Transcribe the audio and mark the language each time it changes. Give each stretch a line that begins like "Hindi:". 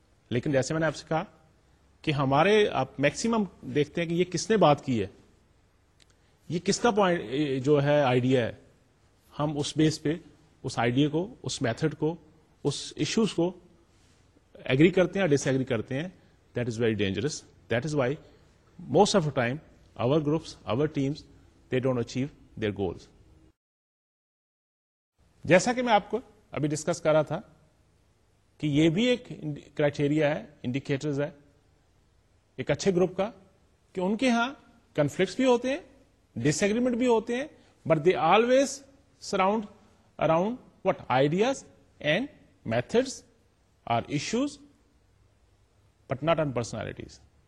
Urdu: لیکن جیسے میں نے آپ سے کہا کہ ہمارے آپ میکسیمم دیکھتے ہیں کہ یہ کس نے بات کی ہے, یہ کس کا پوائنٹ جو ہے آئیڈیا ہے, ہم اس بیس پہ اس آئیڈیا کو, اس میتھڈ کو, اس ایشوز کو ایگری کرتے ہیں یا ڈس ایگری کرتے ہیں.
English: That is very dangerous. That is why most of the time our groups, our teams, they don't achieve their goals.
Urdu: جیسا کہ میں آپ کو ابھی ڈسکس کر رہا تھا کہ یہ بھی ایک کرائٹیریا ہے, انڈیکیٹرز ہے ایک اچھے گروپ کا, کہ ان کے ہاں کنفلکٹس بھی ہوتے ہیں, ڈس ایگریمنٹ بھی ہوتے ہیں,
English: But they always surround around what ideas and methods or issues but not on personalities.